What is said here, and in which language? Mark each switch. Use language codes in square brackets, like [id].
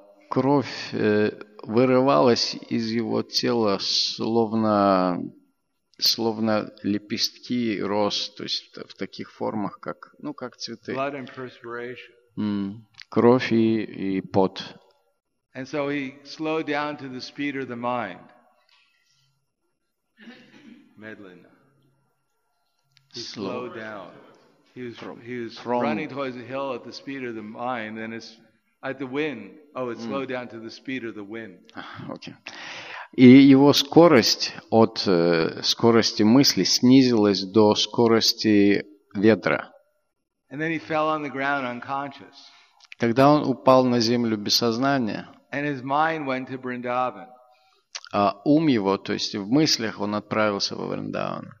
[ru] Кровь вырывалась из его тела, словно словно лепестки роз, то есть в таких формах, как, ну, как цветы. [en] Blood and perspiration. [ru] Кровь и пот. [en] And so he slowed down to the speed of the mind. [ru] Медленно. [en] He slowed down. He was running towards the hill at the speed of the mind, and it's at the wind. Oh, it slowed down to the speed of the wind. Okay. [ru] И его скорость от скорости мысли снизилась до скорости ветра. [en] And then he fell on the ground unconscious. [ru] Когда он упал на землю без сознания, [en] and his mind went to Vrindavan. [ru] А ум его, то есть в мыслях, он отправился во Вриндаван.